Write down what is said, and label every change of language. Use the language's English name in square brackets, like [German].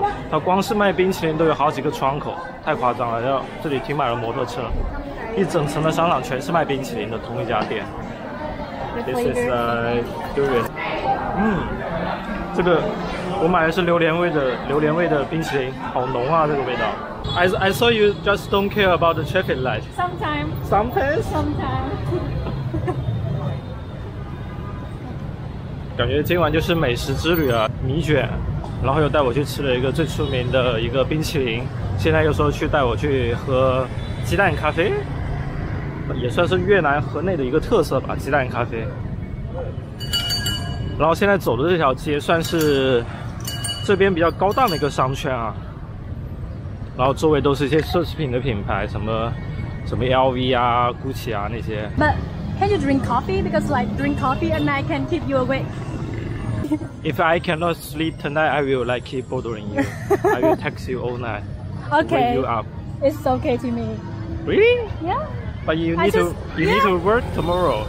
[Chinese] 他光是卖冰淇淋都有好几个窗口，太夸张了。然后这里停满了摩托车，一整层的商场全是卖冰淇淋的，同一家店。 [English] This is a durian。 [Chinese] 这个我买的是榴莲味的冰淇淋，好浓啊，这个味道。 [English] I saw you just don't care about the traffic light. Sometimes. [Chinese] 感觉今晚就是美食之旅啊，米卷。然后又带我去吃了一个最出名的一个冰淇淋，现在又说去带我去喝鸡蛋咖啡，也算是越南河内的一个特色吧，鸡蛋咖啡。然后现在走的这条街算是这边比较高档的一个商圈啊，然后周围都是一些奢侈品的品牌，什么 LV 啊、GUCCI 啊那些。 [English] But can you drink coffee? Because like drink coffee and I can keep you awake. If I cannot sleep tonight, I will like keep bothering you. I will text you all night. Okay. Wake you up. It's okay to me. Really? Yeah. But you need to work tomorrow.